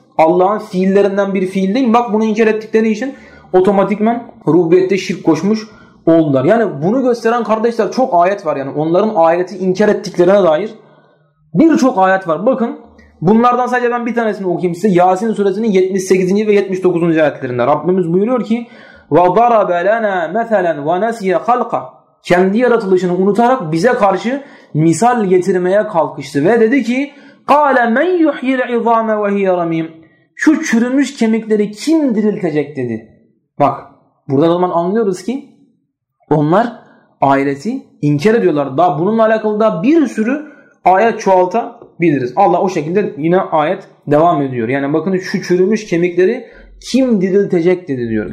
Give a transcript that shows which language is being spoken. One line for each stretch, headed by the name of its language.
Turkish: Allah'ın fiillerinden bir fiil değil. Bak bunu inkar ettikleri için otomatikman rububiyette şirk koşmuş oldular. Yani bunu gösteren kardeşler çok ayet var yani. Onların ahireti inkar ettiklerine dair birçok ayet var. Bakın bunlardan sadece ben bir tanesini okuyayım size. Yasin suresinin 78. ve 79. ayetlerinde. Rabbimiz buyuruyor ki
Arabic: وَضَرَبَ لَنَا مَثَلًا وَنَسْيَ خَلْقًا.
Turkish: Kendi yaratılışını unutarak bize karşı misal getirmeye kalkıştı. Ve dedi ki
Arabic: قَالَ مَنْ يُحْيِ الْعِظَامَ وَهِيَ رَمِيمٌ.
Turkish: Şu çürümüş kemikleri kim diriltecek dedi. Bak burada zaman anlıyoruz ki onlar ahireti inkar ediyorlar. Daha bununla alakalı da bir sürü ayet çoğaltabiliriz. Allah o şekilde yine ayet devam ediyor. Yani bakın şu çürümüş kemikleri kim diriltecek dedi diyor.